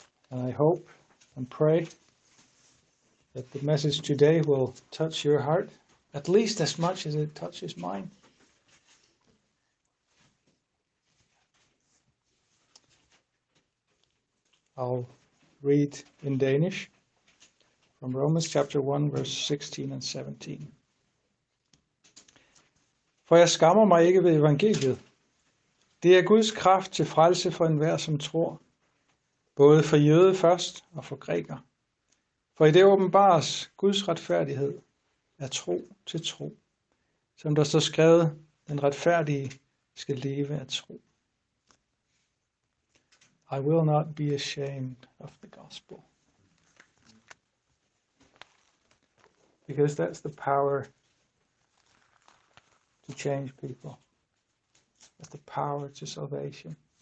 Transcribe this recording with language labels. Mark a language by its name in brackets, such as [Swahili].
[English] And I hope and pray that the message today will touch your heart at least as much as it touches mine. I'll read in Danish from Romans chapter 1, verse 16 and 17. [Danish] For jeg skammer mig ikke ved evangeliet. Det er Guds kraft til frelse for enhver, som tror, både for jøde først og for græker. For i det åbenbares Guds retfærdighed er tro til tro, som der står skrevet, den retfærdige skal leve af tro. [English] I will not be ashamed of the gospel. Because that's the power to change people. That's the power to salvation.